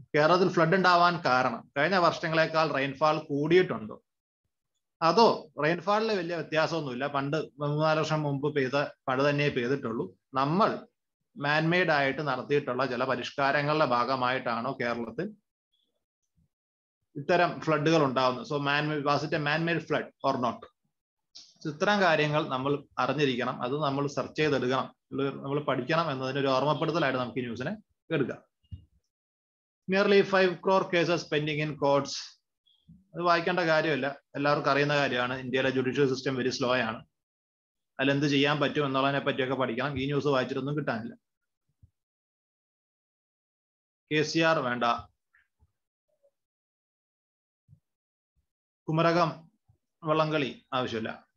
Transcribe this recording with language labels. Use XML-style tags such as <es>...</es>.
<ml>കേരളത്തിൽ ഫ്ലഡ് ഉണ്ടാവാൻ കാരണം കഴിഞ്ഞ വർഷങ്ങളെക്കാൾ റെയിൻഫാൾ കൂടിയിട്ടുണ്ടോ, അതോ റെയിൻഫാളിൽ വലിയ വ്യത്യാസമൊന്നുമില്ല, പണ്ട് 3-4 വർഷം മുമ്പ് പെയ്ത മഴ തന്നെ പെയ്തിട്ടുള്ളൂ, നമ്മൾ മാൻമെയ്ഡ് ആയിട്ട് നടത്തിയിട്ടുള്ള ചില പരിഷ്കാരങ്ങളുടെ ഭാഗമായിട്ടാണോ കേരളത്തിൽ ഇത്തരം ഫ്ലഡുകൾ ഉണ്ടാവുന്നത്?</ml> <en>So manmade flood or not?</en> <ml>ഇത്തരം കാര്യങ്ങൾ നമ്മൾ അറിഞ്ഞിരിക്കണം, അത് നമ്മൾ സെർച്ച് ചെയ്തെടുക്കണം, നമ്മൾ പഠിക്കണം എന്നതിന് ഒരു ഓർമ്മപ്പെടുത്തലായിട്ട് നമുക്ക് ഈ ന്യൂസിനെ എടുക്കാം.</ml> <en>Nearly 5 crore cases pending in courts.</en> <ml>അത് വായിക്കേണ്ട കാര്യമല്ല, എല്ലാവർക്കും അറിയുന്ന കാര്യമാണ്. ഇന്ത്യയിലെ ജുഡീഷ്യൽ സിസ്റ്റം വെരി സ്ലോ ആണ്, അതിലെന്ത് ചെയ്യാൻ പറ്റും എന്നുള്ളതിനെ പറ്റിയൊക്കെ പഠിക്കണം. ഈ ന്യൂസ് വായിച്ചിട്ടൊന്നും കിട്ടാനില്ല. KCR വേണ്ട, കുമരകം വള്ളംകളി ആവശ്യമില്ല.</ml>